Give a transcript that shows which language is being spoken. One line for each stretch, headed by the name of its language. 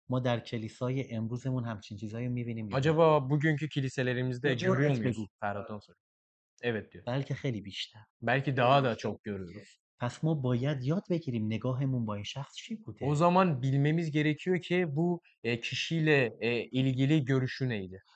Persian: ما در کلیسای امروزمون همچین چیزایی میبینیم.
Turkish: Acaba bugünkü kiliselerimizde görüyor muyuz? Ferhat'ın soru. Evet diyor.
Persian: Belki خیلی بیشتر.
Turkish: Belki daha da çok görüyoruz.
Persian: پس ما باید یاد بگیریم نگاهمون با این شخص چی بوده.
Turkish: O zaman bilmemiz gerekiyor ki bu kişiyle ilgili görüşü neydi.